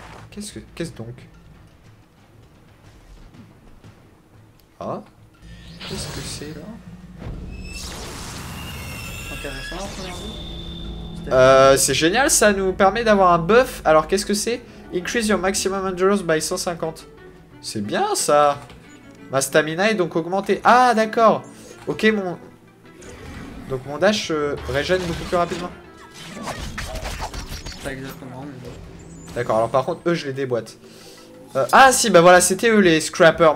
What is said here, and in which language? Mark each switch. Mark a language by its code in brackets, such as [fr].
[fr] Qu'est-ce que, qu'est-ce donc? Ah. Qu'est-ce que c'est là? Intéressant, en première vue. C'est génial, ça nous permet d'avoir un buff. Alors qu'est-ce que c'est? [en] Increase your maximum endurance by 150. [fr] C'est bien ça. Ma stamina est donc augmentée. Ah d'accord. Ok, mon... Donc mon dash régène beaucoup plus rapidement. Pas exactement, mais... D'accord, alors par contre eux je les déboîte. Ah si, bah voilà, c'était eux les scrappers.